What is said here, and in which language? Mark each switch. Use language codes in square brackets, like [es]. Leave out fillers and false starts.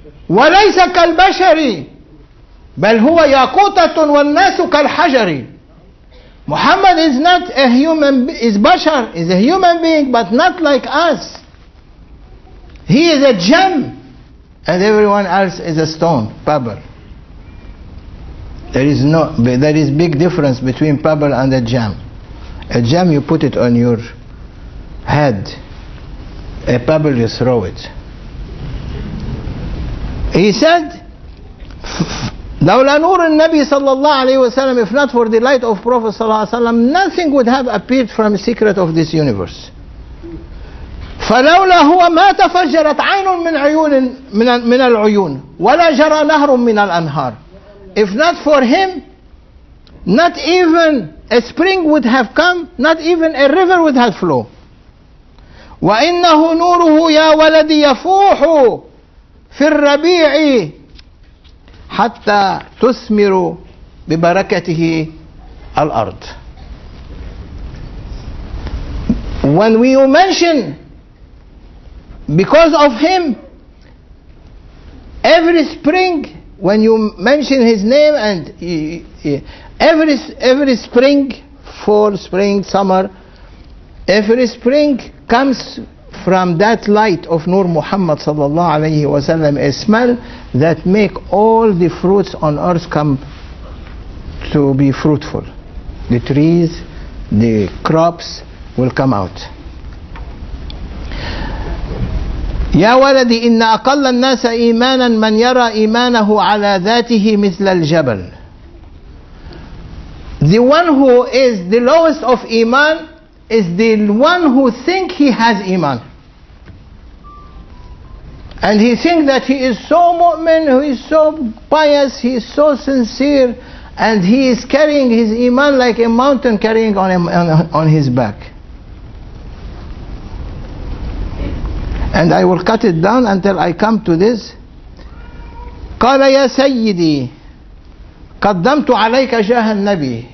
[ar] وليس كالبشر بل هو ياقوتة والناس كالحجر. [en] Muhammad is not a human, is bashar, is a human being, but not like us. He is a gem and everyone else is a stone, pebble. There is big difference between pebble and a gem. A gem, you put it on your head. A pebble, you throw it. He said, [ar] لولا نور النبي صلى الله عليه وسلم, [en] if not for the light of Prophet [ar] صلى الله عليه وسلم, [en] nothing would have appeared from the secret of this universe. [ar] فلولا هو ما تفجرت عين من عيون من العيون ولا جرى نهر من الأنهار. [en] If not for him, not even a spring would have come, not even a river would have flowed. [ar] وإنه نوره يا ولدي يفوح في الربيع حتى تثمر ببركته الأرض. [en] When we mention, because of him, every spring, when you mention his name, and every spring, fall, spring, summer, every spring comes from that light of Nur Muhammad sallallahu alayhi wa sallam, a smell that make all the fruits on earth come to be fruitful. The trees, the crops will come out. [ar] يا ولدي إن أقل الناس إيمانا من يرى إيمانه على ذاته مثل الجبل. [en] The one who is the lowest of iman is the one who think he has iman. And he thinks that he is so mu'min, he is so pious, he is so sincere, and he is carrying his iman like a mountain carrying on him, on his back. And I will cut it down until I come to this. [ar] قال يا سيدي قدمت عليك جاه النبي.